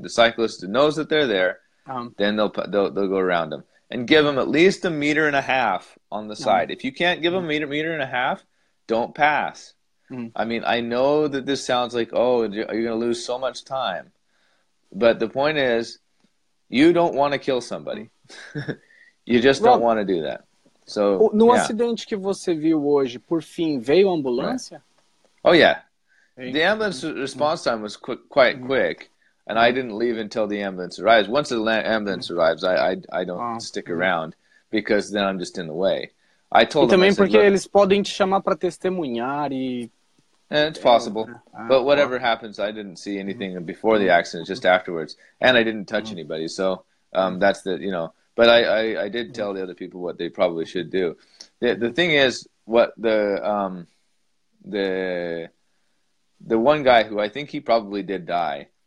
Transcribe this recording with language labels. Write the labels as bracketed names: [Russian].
[English] The cyclist knows that they're there. Then they'll go around them and give them at least a meter and a half on the side. If you can't give them meter and a half, don't pass. I mean, I know that this sounds like, oh, you're going to lose so much time. But the point is, you don't want to kill somebody. You just don't want to do that. So, [Portuguese] no acidente que você viu hoje, por fim, veio a ambulância? [English] Oh, yeah. The ambulance response time was quite quick. And I didn't leave until the ambulance arrives. Once the ambulance arrives, I don't stick around because then I'm just in the way. I told them, I said, [Portuguese] porque eles podem te chamar para testemunhar e... [English] And it's possible, but whatever happens, I didn't see anything before the accident, just afterwards, and I didn't touch anybody, so that's the, you know, but I did tell the other people what they probably should do. The thing is, what the one guy who I think he probably did die,